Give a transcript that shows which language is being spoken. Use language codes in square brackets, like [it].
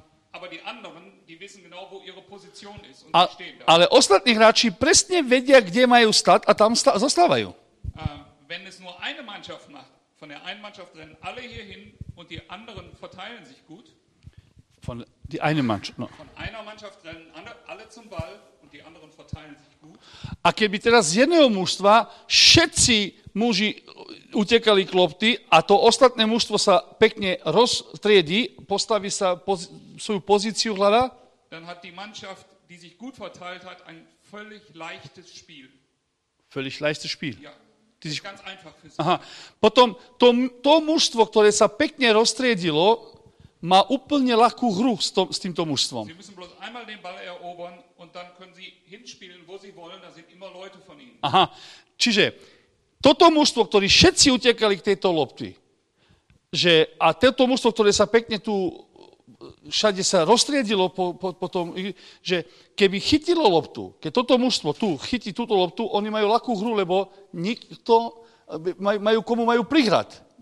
[de] Aber die anderen, die wissen genau, wo ihre Position ist und sie stehen da. [sk] Ale ostatní hráči presne vedia, kde majú stať a tam zostávajú. [de] Wenn es nur eine Mannschaft macht, von der einen Mannschaft rennen alle hier hin und die anderen verteilen sich gut. Von die eine Mannschaft. No. Von einer Mannschaft rennen alle zum Ball und die anderen verteilen sich gut. [sk] A keby teraz z jedného mužstva všetci muži utekali k lopty a to ostatné mužstvo sa pekne roztriedí, postaví sa svoju pozíciu hľada, [de] dann hat die Mannschaft, die sich gut verteilt hat, ein völlig leichtes Spiel. Völlig leichtes Spiel. Ja. Die sich ganz einfach für sich. Aha. [sk] Potom to mužstvo, ktoré sa pekne roztriedilo, má úplne ľahkú hru s týmto mužstvom. [de] Sie müssen bloß einmal den Ball erobern und dann können sie hinspielen, wo sie wollen, da sind immer Leute von ihnen. Aha. [sk] Čiže toto mužstvo, ktoré všetci utekali k tejto lopti, že a toto mužstvo, ktoré sa pekne tu všade sa roztriedilo po tom, že keby chytilo loptu, keď toto mužstvo tu chytí túto loptu, oni majú ľahkú hru, lebo nikto, majú komu majú prihrať.